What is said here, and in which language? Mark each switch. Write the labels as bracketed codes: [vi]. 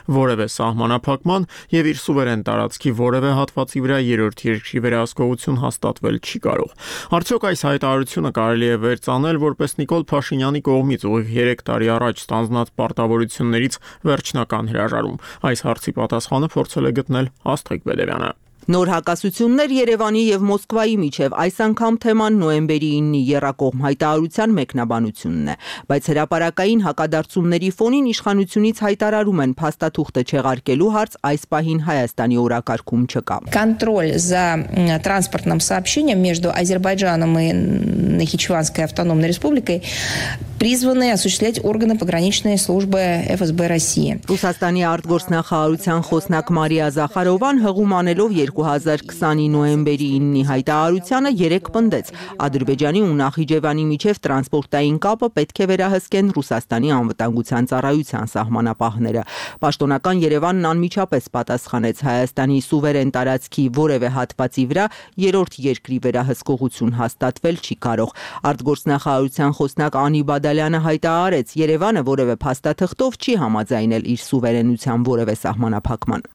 [hy] որևէ սահմանափակման և իր սուվերեն տարածքի որևէ հատվածի վրա երրորդ երկրի վերահսկողություն հաստատվել չի կարող։ Արդյոք այս հայտարարությունը կարելի է վերծանել որպես Նիկոլ Փաշինյանի կողմից ուղիղ 3 տարի առաջ ստանձնած պարտավորություններից վերջնական հրաժարում։ Այս հարցի պատասխանը փորձել է գտնել Աստղիկ Բեդևյանը։ Նոր հակասություններ Երևանի և Մոսկվայի միջև, այս անգամ թեման նոյեմբերի 9-ի եռակողմ հայտարարության մեկնաբանությունն է, բայց հրապարակային հակադարձումների ֆոնին իշխանությունից հայտարարում են փաստաթուղթը չեղարկելու հարց այս պահին Հայաստանի օրակարգում չկա։ [ru] Կոնտրոլ за транспортным сообщением между Азербайджаном и Нахичеванской автономной республикой призваны осуществлять органы пограничной службы ФСБ России։ [hy] Ռուսաստանի արտգործնախարարության խոսնակ Մարիա Զախարովան հղում անելով 2020 նոյեմբերի 9-ի հայտարարությանը երեք պնդեց. Ադրբեջանի ու Նախիջևանի միջև տրանսպորտային կապը պետք է վերահսկեն Ռուսաստանի անվտանգության ծառայության սահմանապահները։ Պաշտոնական Երևանն անմիջապես պատասխանեց Հայաստանի սուվերեն տարածքի որևէ հատվածի վրա երրորդ երկրի վերահսկողություն հաստատվել չի կարող։ Արտգործնախարարության խոսնակ Անի Բադալյանը հայտարարեց, Երևանը որևէ փաստաթղթով չի համաձայնել իր սուվերենության որևէ սահմանափակման։